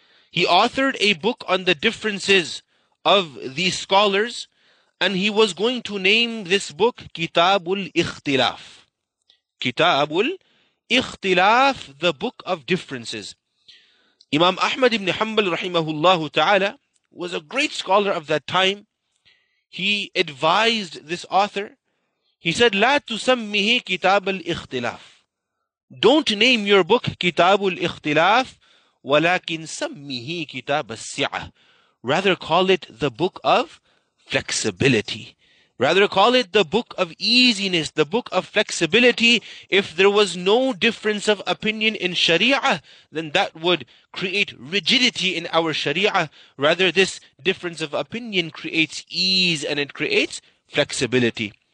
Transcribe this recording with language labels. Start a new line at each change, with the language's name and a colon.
English: He authored a book on the differences of these scholars, and he was going to name this book Kitabul Ikhtilaf. Kitabul Ikhtilaf, the book of differences. Imam Ahmad ibn Hanbal rahimahullahu ta'ala was a great scholar of that time. He advised this author. He said,
Arabic: لا تسميه كتاب الاختلاف.
English: Don't name your book
Arabic: كتاب الاختلاف, ولكن سميه كتاب السعة.
English: Rather call it the book of flexibility. Rather call it the book of easiness, the book of flexibility. If there was no difference of opinion in Sharia, then that would create rigidity in our Sharia. Rather, this difference of opinion creates ease and it creates flexibility.